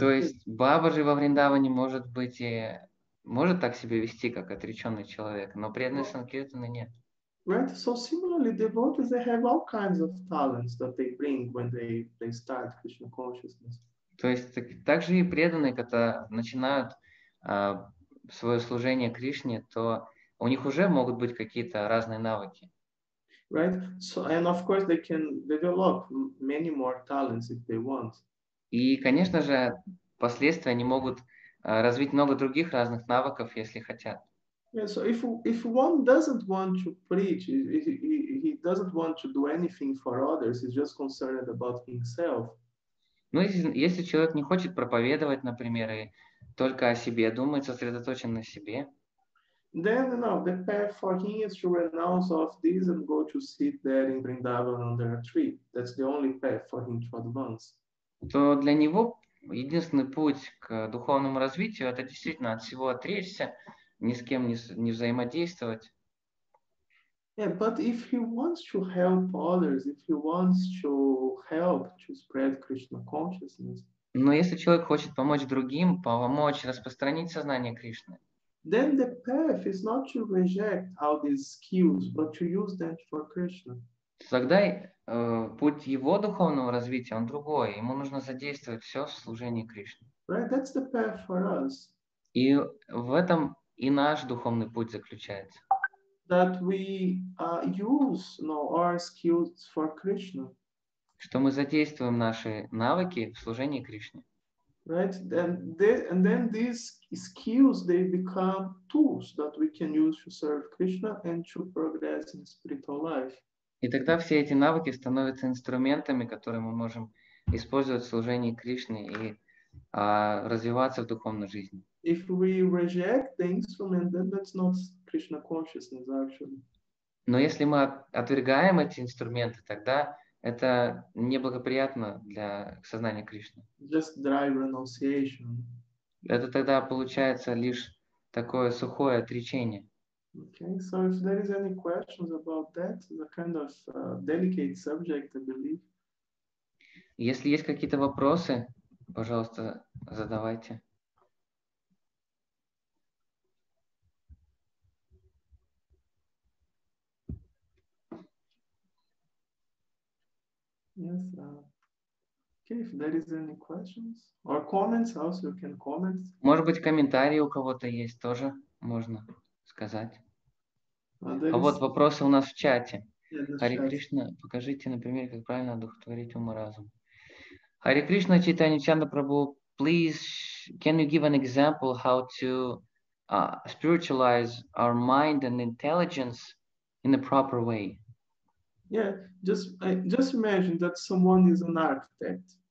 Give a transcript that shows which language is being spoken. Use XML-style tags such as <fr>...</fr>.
<ru>То есть Бабаджи во Вриндаване может быть и может так себя вести, как отреченный человек, но преданный санкиртаны нет.</ru> <en>Right, so similarly, devotees, they have all kinds of talents that they bring when they start Krishna consciousness.</en> <ru>То есть так же и преданные, когда начинают свое служение Кришне, то у них уже могут быть какие-то разные навыки.</ru> <en>Right? So, and of course they can develop many more talents if they want.</en> <ru>И, конечно же, впоследствии они могут развить много других разных навыков, если хотят.</ru> <en>Yeah, so if one doesn't want to preach, he doesn't want to do anything for others, he's just concerned about himself.</en> <ru>Ну, если человек не хочет проповедовать, например, и только о себе думает, сосредоточен на себе.</ru> <en>Then, you know, the path for him is to renounce of this and go to sit there in Vrindavan under a tree. That's the only path for him to advance.</en> <ru>То для него единственный путь к духовному развитию — это действительно от всего отречься, ни с кем не взаимодействовать.</ru> <en>Yeah, but if he wants to help others, if he wants to help to spread Krishna consciousness.</en> <ru>Но если человек хочет помочь другим, помочь распространить сознание Кришны,</ru> <en>then the path is not to reject all these skills, but to use them for Krishna.</en> <ru>Тогда путь его духовного развития, он другой. Ему нужно задействовать все в служении Кришне.</ru> <en>Right, that's the path for us.</en> <ru>И в этом и наш духовный путь заключается.</ru> <en>That we use, you know, our skills for Krishna.</en> <ru>Что мы задействуем наши навыки в служении Кришне.</ru> <en>Right, and then these skills, they become tools that we can use to serve Krishna and to progress in spiritual life.</en> <ru>И тогда все эти навыки становятся инструментами, которые мы можем использовать в служении Кришне и развиваться в духовной жизни.</ru> <en>If we reject the instrument, then that's not Krishna consciousness, actually.</en> <ru>Но если мы отвергаем эти инструменты, тогда это неблагоприятно для сознания Кришны.</ru> <en>Just dry renunciation.</en> <ru>Это тогда получается лишь такое сухое отречение.</ru> <en>Okay, so if there is any questions about that, the kind of delicate subject, I believe.</en> <ru>Если есть какие-то вопросы, пожалуйста, задавайте.</ru> <en>Yes. Okay, if there is any questions or comments, also you can comment.</en> <ru>Может быть, комментарии у кого-то есть, тоже можно сказать. А вот вопросы у нас в чате. Хари Кришна, покажите, например, как правильно одухотворить ум и разум.</ru> <en>Хари Кришна, Чайтанья Чанда Прабху, please, can you give an example how to spiritualize our mind and intelligence in the proper way? Yeah, just imagine that someone is an architect.</en>